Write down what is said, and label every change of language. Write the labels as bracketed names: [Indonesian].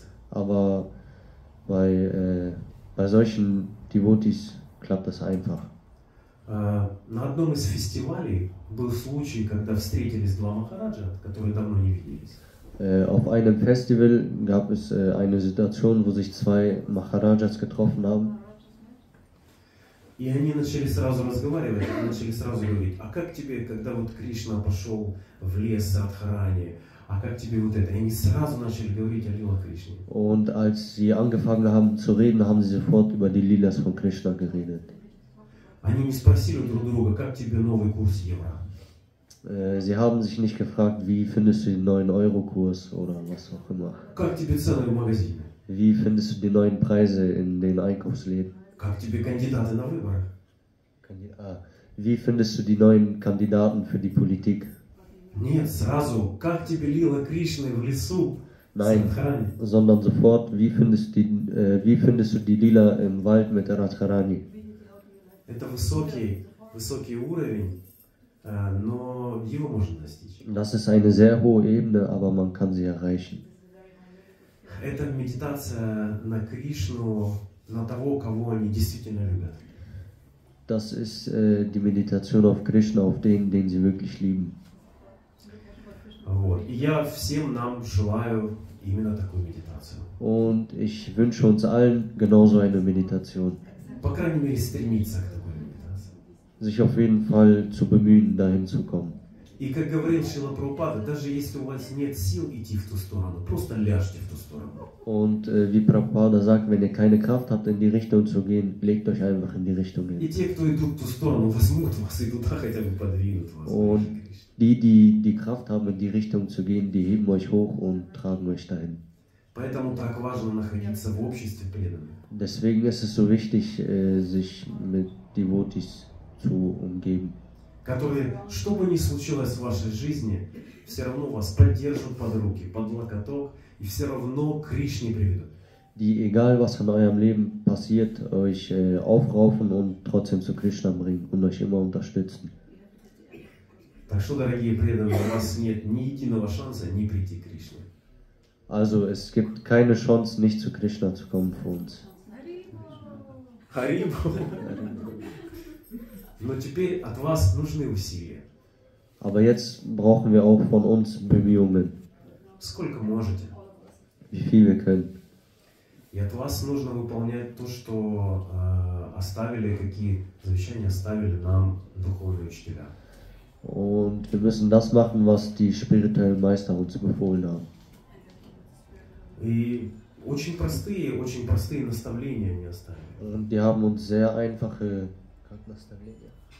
[German] Aber bei solchen Devotis klappt das einfach. [Russian] На одном из фестивалей был случай, когда встретились два махараджа, которые давно не виделись. [German] Auf einem Festival gab es eine Situation, wo sich zwei Maharajas getroffen haben. [Russian] И они начали сразу разговаривать, начали сразу говорить: а как тебе, когда вот Кришна пошел в лес Садхарани, а как тебе вот это? И они сразу начали говорить о Лила Кришне. [German] Und als sie angefangen haben zu reden, haben sie sofort über die Lilas von Krishna geredet. [Russian] Они не спросили друг друга, как тебе новый курс евро. [German] Sie haben sich nicht gefragt, wie findest du den neuen Euro-Kurs oder was auch immer. [Russian] Как тебе цены в магазине? [German] Wie findest du die neuen Preise in den Einkaufsläden? [Russian] Как тебе кандидаты на выборы? [German] Wie findest du die neuen Kandidaten für die Politik? [Russian] Нет, сразу. Как тебе Лила Кришны в лесу? [German] Nein, sondern sofort, wie findest du die Lila im Wald mit Radharani? [Russian] Это высокий уровень, но его можно достичь. [German] Das ist eine sehr hohe Ebene, aber man kann sie erreichen. [Russian] Это медитация на Кришну, на того, кого они действительно любят. [German] Das ist die Meditation auf Krishna, auf den, den sie wirklich lieben. [Russian] Вот. И я всем нам желаю именно такую медитацию. [German] Und ich wünsche uns allen genauso eine Meditation. [Russian] По крайней мере, стремиться к такой. [German] Sich auf jeden Fall zu bemühen, dahin zu kommen. [Russian] И как говорит Шрила Прабхупада, даже если у вас нет сил идти в ту сторону, просто ляжьте в ту сторону. [German] Und wie Prabhupada sagt, wenn ihr keine Kraft habt, in die Richtung zu gehen, legt euch einfach in die Richtung hin. [Russian] И те, кто идут в ту сторону, возьмут вас и туда хотя бы подвинут вас. [German] Und die Kraft haben, in die Richtung zu gehen, die heben euch hoch und tragen euch dahin. [Russian] Поэтому так важно находиться в обществе преданных. [German] Deswegen ist es so wichtig, sich mit Devotis zu umgeben. [Russian] Которые, что бы ни случилось в вашей жизни, все равно вас поддержат под руки, под локоток, и все равно к Кришне приведут. [German] Die, egal was in eurem Leben passiert, euch aufraufen und trotzdem zu Krishna bringen und euch immer unterstützen. [Russian] Так что, дорогие преданные, у вас нет ни единого шанса не прийти к Кришне. [German] Also, es gibt keine Chance, nicht zu Krishna zu kommen für uns. [Russian] Харибо. Но теперь от вас нужны усилия. [German] Aber jetzt brauchen wir auch von uns Bemühungen. [Russian] Сколько можете? [German] Wie viel wir können. [Russian] И от вас нужно выполнять то, что оставили, какие завещания оставили нам духовные учителя. [German] Und wir müssen das machen, was die spirituellen Meister uns befohlen haben. [Russian] И очень простые наставления они оставили. [German] Und die haben uns sehr einfache наставления.